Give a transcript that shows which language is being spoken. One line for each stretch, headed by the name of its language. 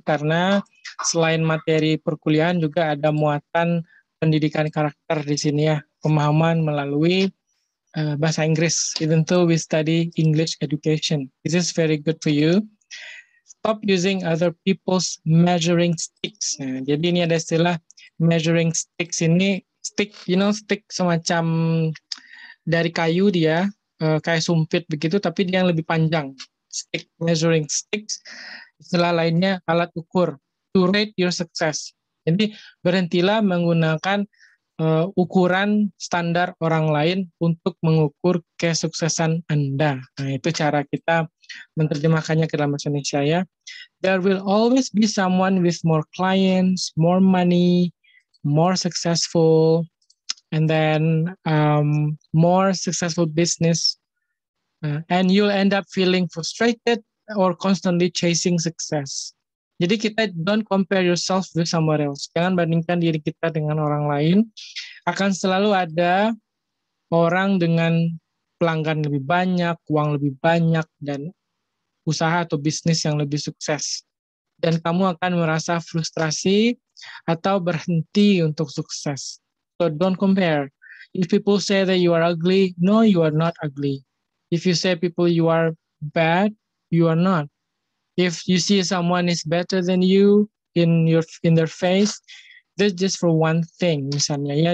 Indonesian: Karena selain materi perkuliahan juga ada muatan pendidikan karakter di sini ya, pemahaman melalui bahasa Inggris.
English: Even though we study English education, this is very good for you. Stop using other people's measuring sticks.
Indonesian: Nah, jadi ini ada istilah measuring sticks ini, stick,
English: you know,
Indonesian: stick semacam dari kayu dia, kayak sumpit begitu, tapi dia yang lebih panjang. Stick, measuring sticks, istilah lainnya alat ukur.
English: To rate your success.
Indonesian: Jadi berhentilah menggunakan ukuran standar orang lain untuk mengukur kesuksesan Anda. Nah, itu cara kita menerjemahkannya ke dalam bahasa Indonesia ya.
English: There will always be someone with more clients, more money, more successful, and then more successful business. And you'll end up feeling frustrated or constantly chasing success.
Indonesian: Jadi kita
English: don't compare yourself with someone else.
Indonesian: Jangan bandingkan diri kita dengan orang lain. Akan selalu ada orang dengan pelanggan lebih banyak, uang lebih banyak, dan usaha atau bisnis yang lebih sukses. Dan kamu akan merasa frustrasi atau berhenti untuk sukses.
English: So don't compare. If people say that you are ugly, no, you are not ugly. If you say people you are bad, you are not. If you see someone is better than you in their face, that's just for one thing,
Indonesian: misalnya ya.